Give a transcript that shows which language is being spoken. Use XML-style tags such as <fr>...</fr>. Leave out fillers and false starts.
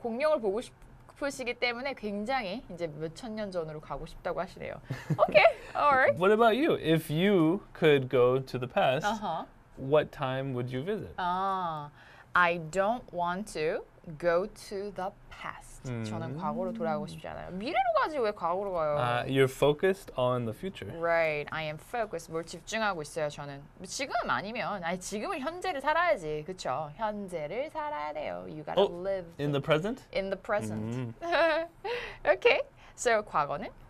<ko>공룡을 보고 싶으시기 때문에 굉장히 이제 몇천 년 전으로 가고 싶다고 하시네요.</ko> <en>Okay, alright. What about you? If you could go to the past, what time would you visit? I don't want to go to the past.</en> <ko>저는 과거로 돌아가고 싶지 않아요. 미래로 가지 왜 과거로 가요?</ko> <en>You're focused on the future. Right. I am focused.</en> <ko>뭘 집중하고 있어요, 저는. 지금 아니면 아니 지금은 현재를 살아야지. 그렇죠? 현재를 살아야 돼요.</ko> <en>You got to live in the present? In the present. Okay. So 과거는</en>